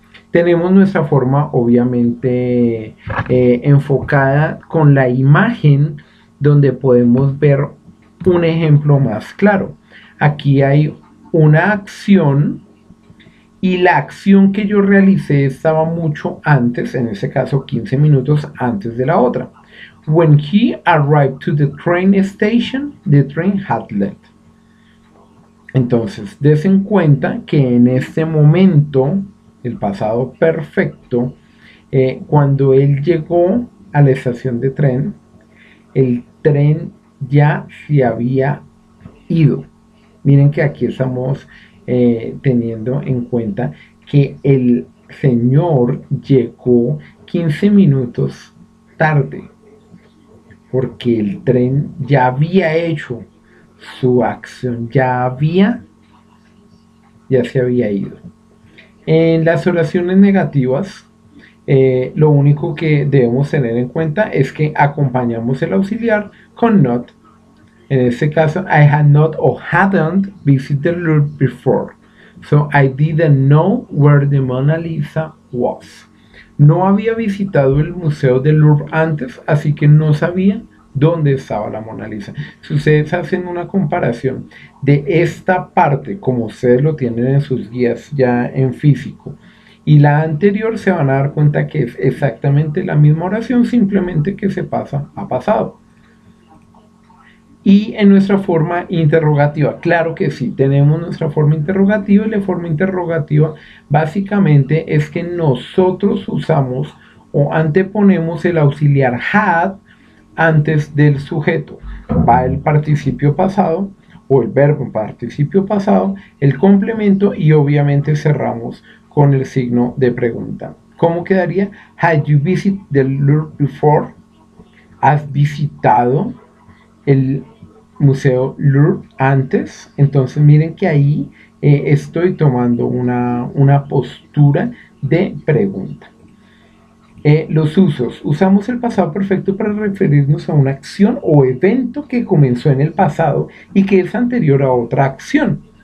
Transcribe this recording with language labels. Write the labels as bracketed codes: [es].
[es] Tenemos nuestra forma obviamente enfocada con la imagen donde podemos ver un ejemplo más claro. Aquí hay una acción. Y la acción que yo realicé estaba mucho antes, en ese caso 15 minutos antes de la otra. [en] When he arrived to the train station, the train had left. [es] Entonces, dense en cuenta que en este momento, el pasado perfecto, cuando él llegó a la estación de tren, el tren ya se había ido. Miren que aquí estamos. Teniendo en cuenta que el señor llegó 15 minutos tarde, porque el tren ya había hecho su acción, ya se había ido. En las oraciones negativas, lo único que debemos tener en cuenta es que acompañamos el auxiliar con not. En este caso, [en] I had not or hadn't visited the Louvre before. So I didn't know where the Mona Lisa was. [es] No había visitado el Museo del Louvre antes, así que no sabía dónde estaba la Mona Lisa. Si ustedes hacen una comparación de esta parte, como ustedes lo tienen en sus guías ya en físico, y la anterior se van a dar cuenta que es exactamente la misma oración, simplemente que se pasa a pasado. Y en nuestra forma interrogativa, claro que sí, tenemos nuestra forma interrogativa, y la forma interrogativa básicamente es que nosotros usamos o anteponemos el auxiliar had antes del sujeto. Va el participio pasado o el verbo en participio pasado, el complemento y obviamente cerramos con el signo de pregunta. ¿Cómo quedaría? [en] Had you visited the Louvre before? [es] ¿Has visitado el Museo Louvre antes? Entonces miren que ahí estoy tomando una postura de pregunta. Los usos. Usamos el pasado perfecto para referirnos a una acción o evento que comenzó en el pasado y que es anterior a otra acción.